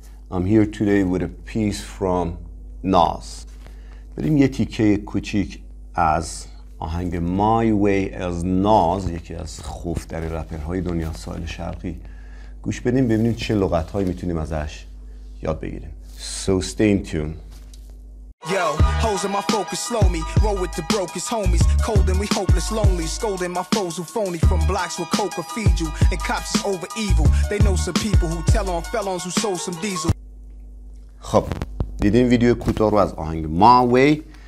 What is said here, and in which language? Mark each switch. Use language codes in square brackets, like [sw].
[en] I'm here today with a piece from Nas. [fa] بریم یه تیکه کوچیک از آهنگ My Way از Nas، یکی از خوف‌ترین رپرهای دنیا ساحل شرقی، گوش بدیم ببینیم چه لغت‌هایی میتونیم ازش یاد بگیریم. [en] So stay tuned. Yo, hoes in my focus, slow me. Roll with the brokest homies. Cold and we hopeless, lonely. Scolding my foes who phony. From blocks where coke will feed you. And cops is over evil. They know some people who tell on felons who sold some diesel. [fa] خب، دیدیم ویدیو کوتاه رو از آهنگ My Way.